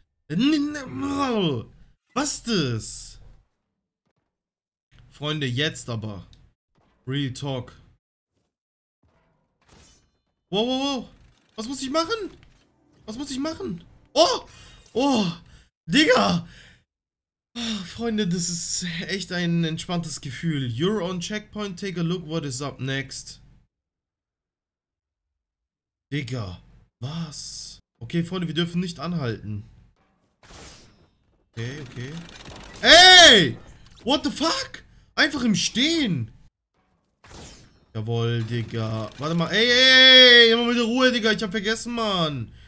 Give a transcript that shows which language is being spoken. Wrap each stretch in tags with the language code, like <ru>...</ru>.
<de>Was ist das? Freunde, jetzt aber.</de> <en>Real talk.</en> <de>Wow. Was muss ich machen? Was muss ich machen? Oh! Oh! Digga! Oh, Freunde, das ist echt ein entspanntes Gefühl.</de> <en>You're on checkpoint, take a look, what is up next.</en> <de>Digga, was? Okay, Freunde, wir dürfen nicht anhalten.</de> <en>Okay. Ey! What the fuck?</en> <de>Einfach im Stehen! Jawohl, Digga. Warte mal. Ey, immer mit der Ruhe, Digga. Ich hab vergessen, Mann.</de>